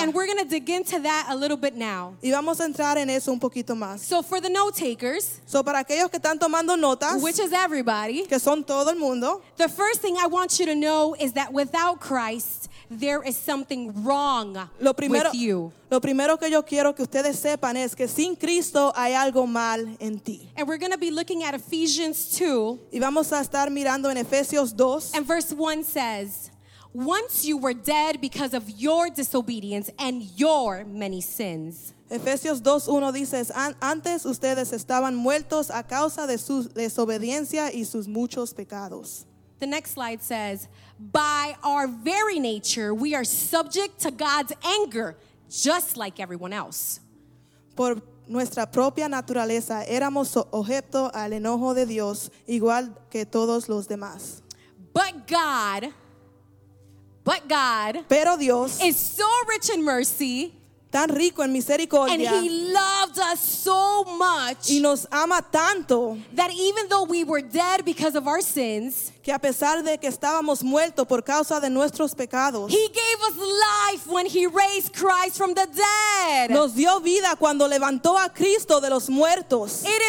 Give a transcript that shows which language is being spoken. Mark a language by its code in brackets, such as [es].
[en] And we're going to dig into that a little bit now. [es] Y vamos a entrar en eso un poquito más. [en] So for the note takers, [es] so para aquellos que están tomando notas, [en] which is everybody, [es] que son todo el mundo, [en] the first thing I want you to know is that without Christ, there is something wrong with you. [es] Lo primero que yo quiero que ustedes sepan es que sin Cristo hay algo mal en ti. [en] And we're going to be looking at Ephesians 2. [es] Y vamos a estar mirando en Efesios 2. [en] And verse 1 says, once you were dead because of your disobedience and your many sins. [es] Efesios 2:1 dice, antes ustedes estaban muertos a causa de su desobediencia y sus muchos pecados. [en] The next slide says, by our very nature, we are subject to God's anger, just like everyone else. [es] Por nuestra propia naturaleza, éramos objeto al enojo de Dios, igual que todos los demás. [en] But God, [es] pero Dios, [en] is so rich in mercy, [es] tan rico en misericordia, [en] and He loved us so much, [es] y nos ama tanto, [en] that even though we were dead because of our sins, [es] que a pesar de que estábamos muertos por causa de nuestros pecados, [en] He gave us life when He raised Christ from the dead. [es] Nos dio vida cuando levantó a Cristo de los muertos.